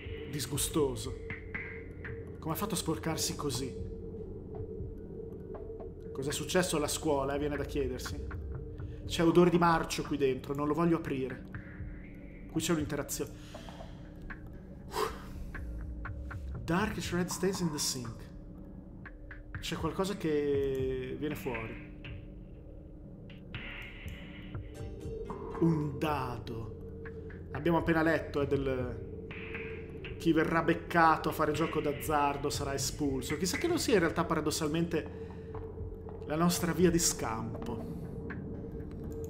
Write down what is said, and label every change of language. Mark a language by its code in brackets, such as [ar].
[it] Disgustoso. Come ha fatto a sporcarsi così? Cos'è successo alla scuola, viene da chiedersi. C'è odore di marcio qui dentro, non lo voglio aprire. Qui c'è un'interazione. [en] Dark shred stays in the sink. [it] C'è qualcosa che viene fuori. Un dado. Abbiamo appena letto, del... Chi verrà beccato a fare gioco d'azzardo sarà espulso. Chissà che non sia in realtà paradossalmente la nostra via di scampo.